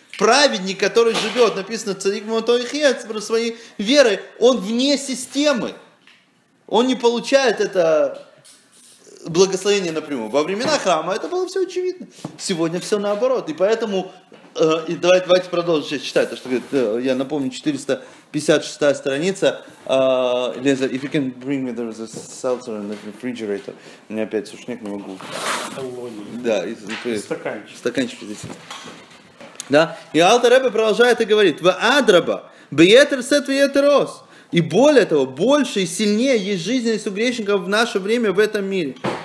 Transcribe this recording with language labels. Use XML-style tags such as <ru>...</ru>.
<ru>Праведник, который живет, написано, царик Матойхец, про свои веры, он вне системы. Он не получает это... благословение напрямую. Во времена храма это было все очевидно. Сегодня все наоборот. И поэтому, давайте продолжим сейчас читать, то, что говорит, я напомню, 456 страница.</ru> <en>Лиза, if you can bring me, there is a seltzer in the refrigerator.</en> <ru>У меня опять сушняк, не могу. Да, стаканчик. Стаканчик здесь. Да? И Алтер Ребе продолжает и говорит, в Адраба, бьетер сет вьетер ос. И более того, больше и сильнее есть жизненность у грешников в наше время в этом мире.</ru>